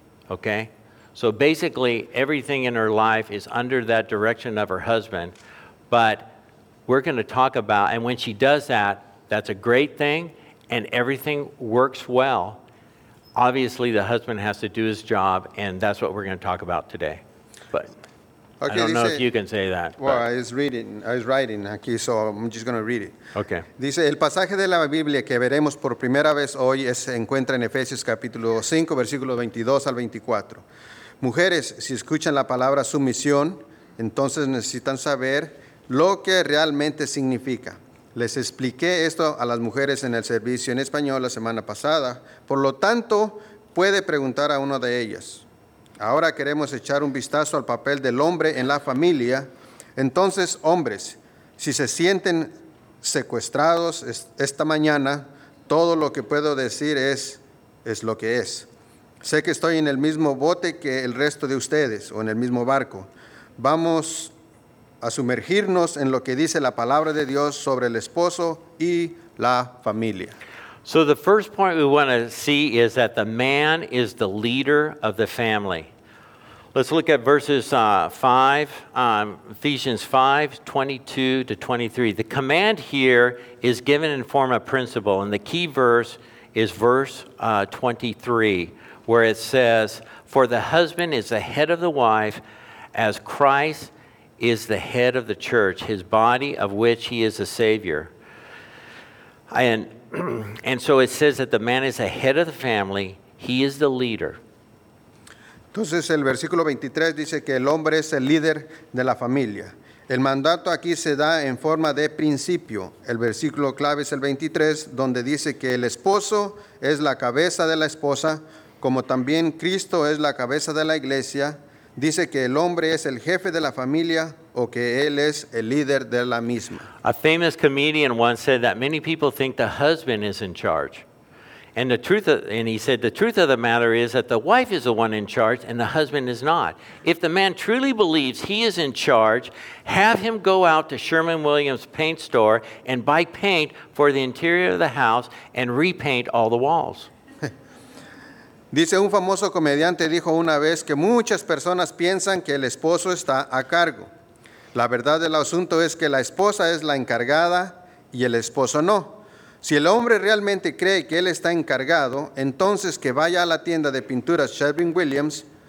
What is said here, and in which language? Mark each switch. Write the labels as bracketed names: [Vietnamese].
[English] Okay? So basically everything in her life is under that direction of her husband, but we're going to talk about, and when she does that, that's a great thing, and everything works well. Obviously, the husband has to do his job, and that's what we're going to talk about today. But okay, I don't know if you can say that. Well, I was writing aquí, so I'm just going to read it. Okay. [Spanish] Dice, el pasaje de la Biblia que veremos por primera vez hoy se encuentra en Efesios capítulo 5, versículos 22 al 24. Mujeres, si escuchan la palabra sumisión, entonces necesitan saber lo que realmente significa. Les expliqué esto a las mujeres en el servicio en español la semana pasada. Por lo tanto, puede preguntar a una de ellas. Ahora queremos echar un vistazo al papel del hombre en la familia. Entonces, hombres, si se sienten secuestrados esta mañana, todo lo que puedo decir es lo que es. Sé que estoy en el mismo bote que el resto de ustedes o en el mismo barco. Vamos a sumergirnos en lo que dice la palabra de Dios sobre el esposo y la familia. [English] So the first point we want to see is that the man is the leader of the family. Let's look at verses 5, Ephesians 5, 22-23. The command here is given in form of principle, and the key verse is verse 23, where it says, "For the husband is the head of the wife, as Christ is the head of the church, his body of which he is a savior." And so it says that the man is the head of the family, he is the leader. [Spanish] Entonces el versículo 23 dice que el hombre es el líder de la familia. El mandato aquí se da en forma de principio. El versículo clave es el 23, donde dice que el esposo es la cabeza de la esposa, como también Cristo es la cabeza de la iglesia. Dice que el hombre es el jefe de la familia o que él es el líder de la misma. [English] A famous comedian once said that many people think the husband is in charge. And he said the truth of the matter is that the wife is the one in charge and the husband is not. If the man truly believes he is in charge, have him go out to Sherman Williams paint store and buy paint for the interior of the house and repaint all the walls. [Spanish] Dice, un famoso comediante dijo una vez que muchas personas piensan que el esposo está a cargo. La verdad del asunto es que la esposa es la encargada y el esposo no. Si el hombre realmente cree que él está encargado, entonces que vaya a la tienda de pinturas Sherwin-Williams